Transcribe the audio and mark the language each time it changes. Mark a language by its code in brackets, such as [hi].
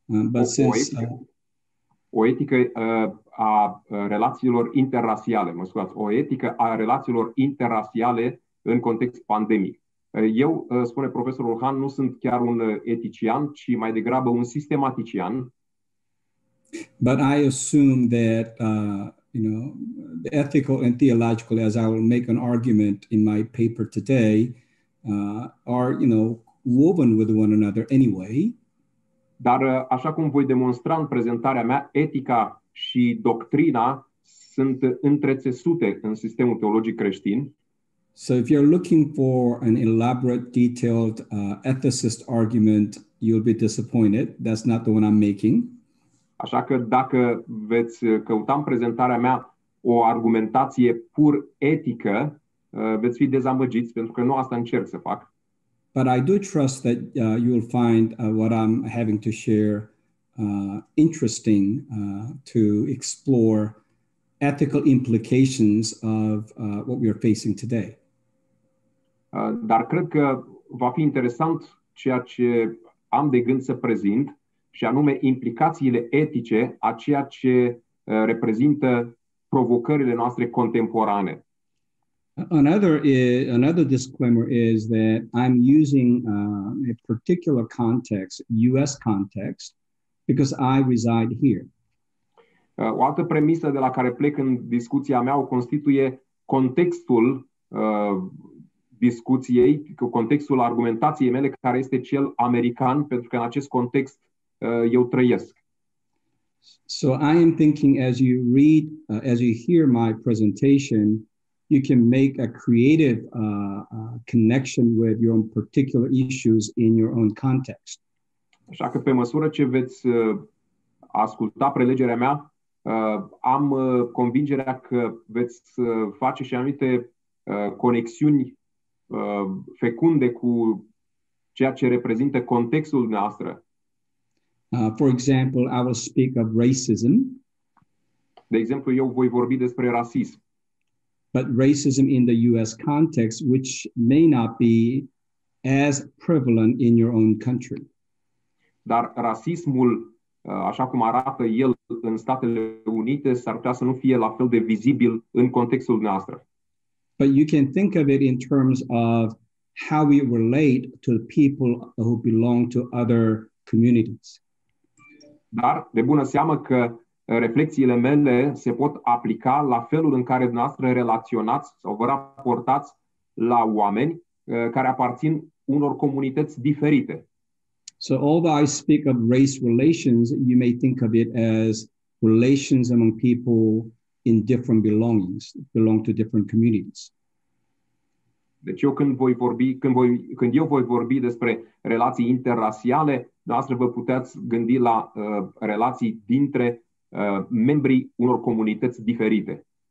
[ro] But o etică a relațiilor interrasiale, mă scuzați, o etică a relațiilor interrasiale în context pandemic. Eu, spune profesorul Hahn, nu sunt chiar un etician, ci mai degrabă un sistematician. [en] But I assume that you know, the ethical and theological, as I will make an argument in my paper today, are, you know, woven with one another anyway. [ro] Dar așa cum voi demonstra în prezentarea mea, etica și doctrina sunt întrețesute în sistemul teologic creștin. [en] So if you're looking for an elaborate, detailed ethicist argument, you'll be disappointed. That's not the one I'm making. [ro] Așa că dacă veți căuta în prezentarea mea o argumentație pur etică, veți fi dezamăgiți, pentru că nu asta încerc să fac. [en] But I do trust that you'll find what I'm having to share interesting to explore ethical implications of what we are facing today. [ro] Dar cred că va fi interesant ceea ce am de gând să prezint, și anume implicațiile etice a ceea ce reprezintă provocările noastre contemporane. [en] Another disclaimer is that I'm using a particular context, US context, because I reside here. [ro] O altă premisă de la care plec în discuția mea o constituie contextul discuției, contextul argumentației mele, care este cel american, pentru că în acest context eu trăiesc. [en] So I am thinking as you read, as you hear my presentation, you can make a creative connection with your own particular issues in your own context. [ro] Așa că pe măsură ce veți asculta prelegerea mea, am convingerea că veți face și anumite conexiuni fecunde cu ceea ce reprezintă contextul nostru. [en] For example, I will speak of racism. [ro] De exemplu, eu voi vorbi despre rasism. [en] But racism in the US context, which may not be as prevalent in your own country. [ro] Dar rasismul, așa cum arată el în Statele Unite, s-ar putea să nu fie la fel de vizibil în contextul nostru. [en] But you can think of it in terms of how we relate to people who belong to other communities. [ro] Dar de bună seamă că reflecțiile mele se pot aplica la felul în care dumneavoastră relaționați sau vă raportați la oameni care aparțin unor comunități diferite. [en] So although I speak of race relations, you may think of it as relations among people in different belongings, belong to different communities. [ro] Deci eu când eu voi vorbi despre relații interrasiale, dumneavoastră vă puteți gândi la relații dintre membrii unor comunități diferite.